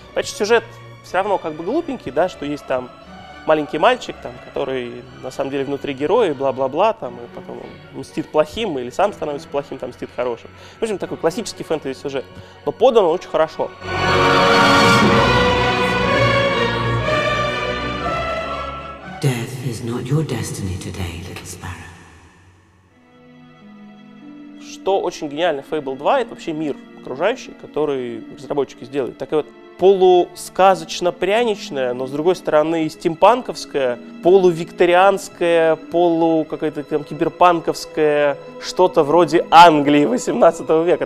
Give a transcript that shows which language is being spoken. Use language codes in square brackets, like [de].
[ru] Значит, сюжет все равно как бы глупенький, да, что есть там маленький мальчик, там, который на самом деле внутри героя, бла-бла-бла, там, и потом он мстит плохим, или сам становится плохим, там мстит хорошим. В общем, такой классический фэнтези-сюжет. Но подан он очень хорошо. [en] Death is not your destiny today, little sparrow. [ru] Что очень гениально в Fable 2, это вообще мир окружающий, который разработчики сделали. Так и вот. Полусказочно-пряничная, но с другой стороны стимпанковская, полувикторианская, полу какая-то там киберпанковская, что-то вроде Англии 18 века.